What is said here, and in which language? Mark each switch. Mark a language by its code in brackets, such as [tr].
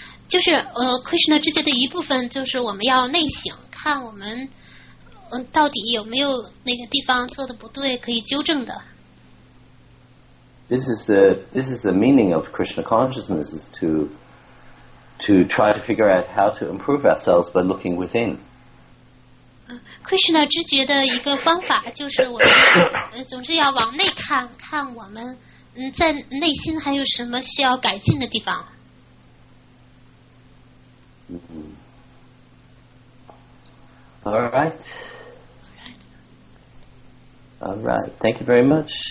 [zh] 就是Krishna 之间的一部分，就是我们要内省，看我们到底有没有哪个地方做的不对，可以纠正的。 [en] This is the meaning of Krishna consciousness is to try to figure out how to improve ourselves by looking within. [zh] Krishna 之觉的一个方法就是我们总是要往内看看我们在内心还有什么需要改进的地方。 Mm-hmm. [en] All right. Thank you very much.